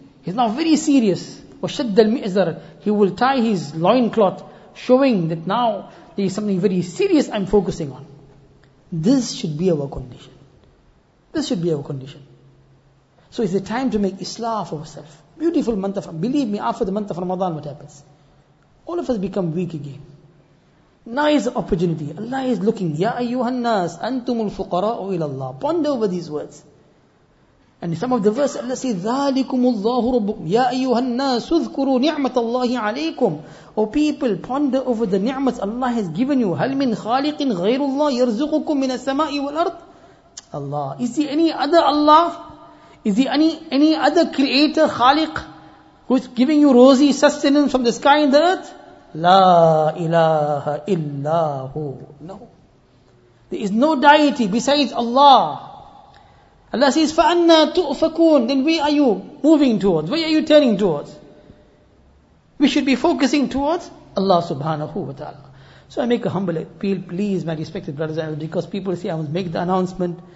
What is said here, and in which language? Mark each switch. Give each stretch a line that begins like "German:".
English: He's now very serious.
Arabic: وَشَدَّ الْمِئْزَرَ
English: He will tie his loincloth, showing that now there is something very serious I'm focusing on. This should be our condition. This should be our condition. So it's a time to make islah of ourselves. Beautiful month of Ramadan. Believe me, after the month of Ramadan, what happens? All of us become weak again. Now is the opportunity. Allah is looking.
Arabic: يَا أَيُّهَا النَّاسِ أَنْتُمُ الْفُقَرَاءُ إِلَى اللَّهِ
English: Ponder over these words. And some of the verses, Allah says,
Arabic: ذَلِكُمُ اللَّهُ رَبُّكُمْ يَا أَيُّهَا النَّاسُ اذْكُرُوا نِعْمَةَ اللَّهِ عَلَيْكُمْ
English: O people, ponder over the ni'mat Allah has given you.
Arabic: هَلْ مِنْ خَالِقٍ غَيْرُ اللَّهِ يَرْزُقُكُمْ مِنَ السَّمَاءِ وَالْأَرْضِ
English: Allah, is there any other Allah? Is there any other creator, khaliq, who's giving you rosy sustenance from the sky and the earth?
Arabic: لَا إِلَهَ إِلَّا هُوَ
English: No. There is no deity besides Allah. Allah says,
Arabic: فَأَنَّا تُؤْفَكُونَ
English: Then where are you moving towards? Where are you turning towards? We should be focusing towards Allah subhanahu wa ta'ala. So I make a humble appeal, please, my respected brothers and sisters, because people say, I must make the announcement.